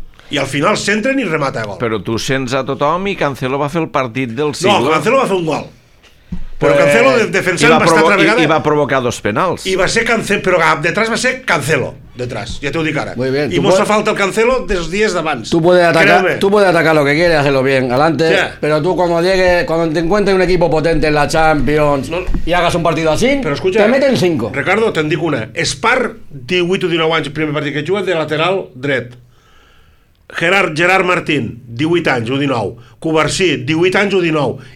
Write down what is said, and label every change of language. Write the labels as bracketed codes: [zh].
[ca] I al final s'entren i remata gol. Però tu sents a tothom i Cancelo va fer el partit del siglo. No, Cancelo va fer un gol. Però Cancelo defensant va estar altra vegada. I va provocar dos penals. I va ser Cancelo, però detrás va ser Cancelo. Detrás, ja t'ho dic ara. [es] Muy bien, [ca] i mos fa falta el Cancelo dels dies d'abans. [es] Tu puedes atacar, lo que quieras, hacerlo bien, adelante. Yeah. [ca] Però tu quan llegues, quan t'encuentres un equip potent en la Champions i hagas un partit així, te meten 5. Ricardo, te'n dic una. Espar, 18 o 19 anys, primer partit que juga, de lateral dret. Gerard Martín, 18 anys o 19. Cubarsí, 18 anys o 19.